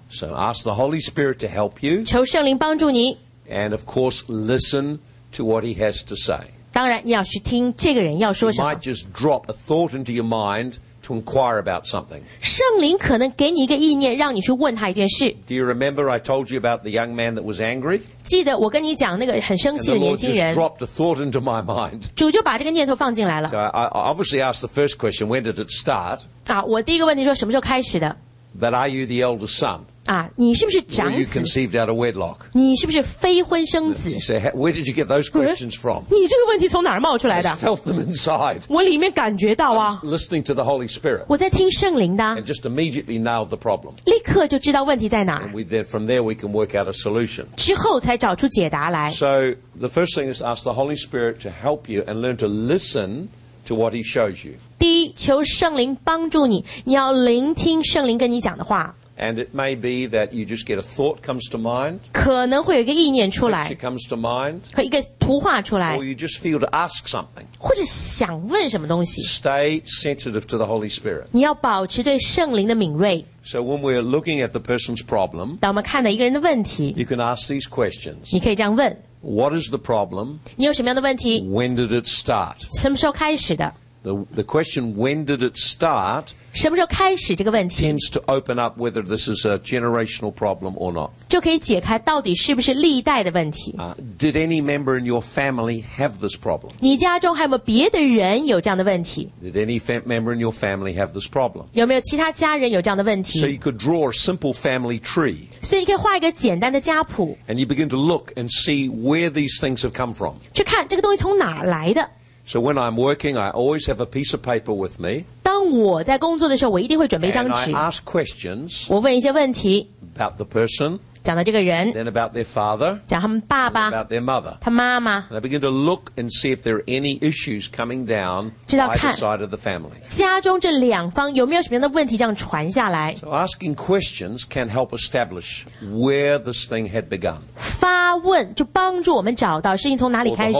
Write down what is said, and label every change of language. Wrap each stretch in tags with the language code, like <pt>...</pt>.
<en>So ask the Holy Spirit to help you.</en> <zh>求圣灵帮助你。</zh> <en>And of course, listen to what he has to say.</en> <zh>当然，你要去听这个人要说什么。</zh> <en>He might just drop a thought into your mind to inquire about something.</en> <zh>圣灵可能给你一个意念，让你去问他一件事。</zh> <en>Do you remember I told you about the young man that was angry?</en> <zh>记得我跟你讲那个很生气的年轻人。</zh> <en>And the Lord just dropped a thought into my mind.</en> <zh>主就把这个念头放进来了。</zh> <en>So I obviously asked the first question, when did it start?</en> <zh>啊，我第一个问题说什么时候开始的？</zh> <en>But are you the eldest son?</en> <zh>啊，你是不是长子？</zh> <en>Were you conceived out of wedlock?</en> <zh>你是不是非婚生子？</zh> <en>You say, where did you get those questions from?</en> <zh>你这个问题从哪儿冒出来的？</zh> <en>I felt them inside.</en> <zh>我里面感觉到啊。</zh> <en>Listening to the Holy Spirit.</en> <zh>我在听圣灵的。</zh> <en>And just immediately nailed the problem.</en> <zh>立刻就知道问题在哪。</zh> <en>And from there we can work out a solution.</en> <zh>之后才找出解答来。</zh> <en>So the first thing is ask the Holy Spirit to help you and learn to listen to what he shows you.</en> <zh>第一，求圣灵帮助你，你要聆听圣灵跟你讲的话。</zh> <en>And it may be that you just get a thought comes to mind.</en> <zh>可能会有一个意念出来。</zh> <en>Picture comes to mind.</en> <zh>和一个图画出来。</zh> <en>Or you just feel to ask something.</en> <zh>或者想问什么东西。</zh> <en>Stay sensitive to the Holy Spirit.</en> <zh>你要保持对圣灵的敏锐。</zh> <en>So when we're looking at the person's problem.</en> <zh>当我们看到一个人的问题。</zh> <en>You can ask these questions.</en> <zh>你可以这样问。</zh> <en>What is the problem?</en> <zh>你有什么样的问题？</zh> <en>When did it start?</en> <zh>什么时候开始的？</zh> <en>The question, when did it start,</en> <zh>什么时候开始这个问题?</zh> <en>Tends to open up whether this is a generational problem or not.</en> <zh>就可以解开到底是不是历代的问题。</zh> <en>Did any member in your family have this problem?</en> <zh>你家中还有没有别的人有这样的问题?</zh> <en>Did any member in your family have this problem?</en> <zh>有没有其他家人有这样的问题?</zh> <en>So you could draw a simple family tree.</en> <zh>所以你可以画一个简单的家谱。</zh> <en>And you begin to look and see where these things have come from.</en> <zh>去看这个东西从哪来的。</zh> <en>So when I'm working, I always have a piece of paper with me.</en> <zh>当我在工作的时候，我一定会准备一张纸。</zh> <en>And I ask questions.</en> <zh>我问一些问题。</zh> <en>About the person.</en> <zh>讲到这个人。</zh> <en>Then about their father.</en> <zh>讲他们爸爸。</zh> <en>About their mother.</en> <zh>他妈妈。</zh> <en>And I begin to look and see if there are any issues coming down either side of the family.</en> <zh>家中这两方有没有什么样的问题这样传下来？</zh> <en>So asking questions can help establish where this thing had begun.</en> <zh>发问就帮助我们找到事情从哪里开始的。</zh>